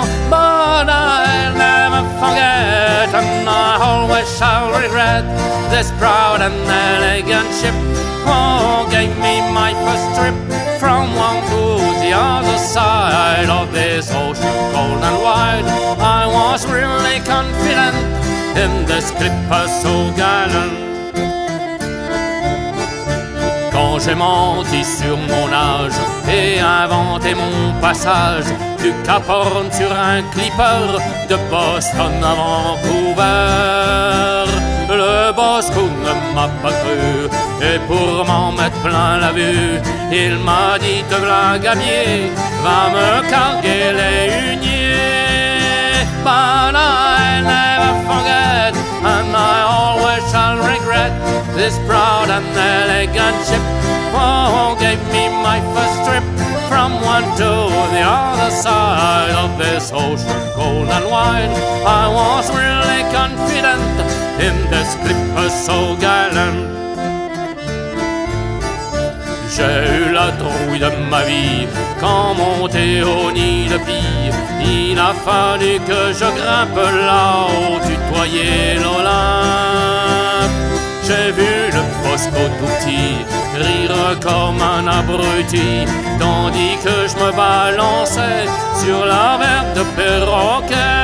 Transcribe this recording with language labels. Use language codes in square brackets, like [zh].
[en] But I'll never forget, and I always shall regret, this proud and elegant ship, oh, gave me my first trip, from one to the other side of this ocean cold and wide. I was really confident in this clipper so gallant. [fr] Quand j'ai menti sur mon âge et inventé mon passage du Cap Horn sur un clipper de Boston à Vancouver, le Bosco ne m'a pas cru, et pour m'en mettre plein la vue, il m'a dit: te v'là gamier, va me carguer les huniers. [en] But I never forget, and I always shall regret, this proud and elegant ship, who gave me my first trip, from one to the other side of this ocean cold and wide. I was really confident in this clipper so gallant. [fr] J'ai eu la trouille de ma vie quand monté au nid de pie, il a fallu que je grimpe là-haut, tutoyer l'Olympe. J'ai vu le Bosco tout petit rire comme un abruti, tandis que je me balançais sur la verte de perroquet.